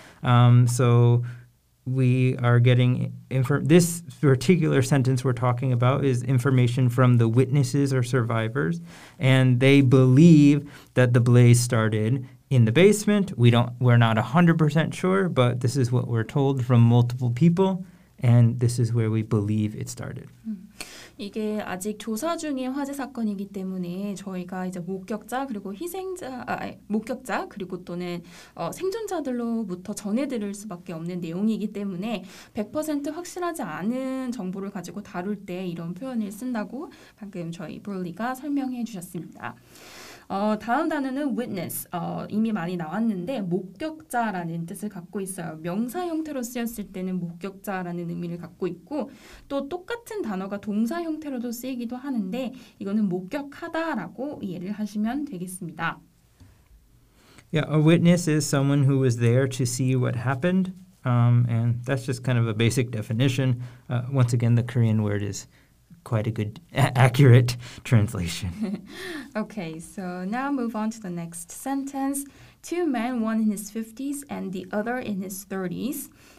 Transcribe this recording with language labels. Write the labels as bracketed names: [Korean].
[English] So we are getting this particular sentence we're talking about is information from the witnesses or survivors, and they believe that the blaze started in the basement. We're not 100% sure, but this is what we're told from multiple people, and this is where we believe it started. [Korean] 이게 아직 조사 중인 화재 사건이기 때문에 저희가 이제 목격자 그리고 목격자 그리고 또는 생존자들로부터 전해들을 수밖에 없는 내용이기 때문에 100% 확실하지 않은 정보를 가지고 다룰 때 이런 표현을 쓴다고 방금 저희 브롤리가 설명해 주셨습니다. 다음 단어는 witness, 이미 많이 나왔는데 목격자라는 뜻을 갖고 있어요. 명사 형태로 쓰였을 때는 목격자라는 의미를 갖고 있고 또 똑같은 단어가 동사 형태로도 쓰이기도 하는데 이거는 목격하다라고 이해를 하시면 되겠습니다. [English] Yeah, a witness is someone who was there to see what happened. And that's just kind of a basic definition. Once again, the Korean word is quite a good accurate translation. Okay, so now move on to the next sentence. Two men, one in his 50s and the other in his 30s.